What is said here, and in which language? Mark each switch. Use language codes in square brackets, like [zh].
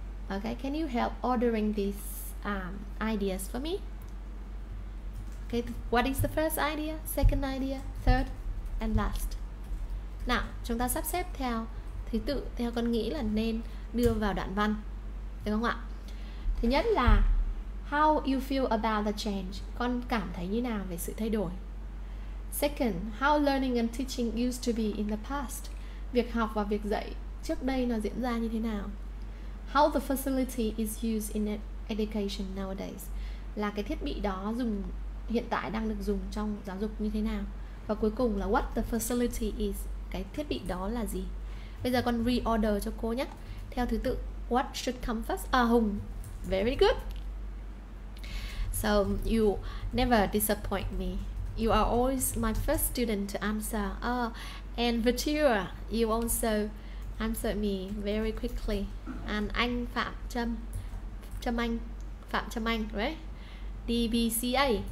[en] Okay, can you help ordering these ideas for me? Okay, what is the first idea, second idea, third and last? [vi] Nào, chúng ta sắp xếp theo thứ tự theo con nghĩ là nên đưa vào đoạn văn, được không ạ? Thứ nhất là [en] how you feel about the change, [vi] con cảm thấy như nào về sự thay đổi. [en] Second, how learning and teaching used to be in the past, [vi] việc học và việc dạy trước đây nó diễn ra như thế nào. [en] How the facility is used in education nowadays, [vi] là cái thiết bị đó dùng hiện tại đang được dùng trong giáo dục như thế nào. Và cuối cùng là [en] what the facility is, [vi] cái thiết bị đó là gì. Bây giờ con reorder cho cô nhé, theo thứ tự [en] what should come first. Hùng, very good. So you never disappoint me, you are always my first student to answer. And Virtua, you also answered me very quickly. And anh Phạm Trâm, Trâm Anh, Phạm Trâm Anh, right? DBCA.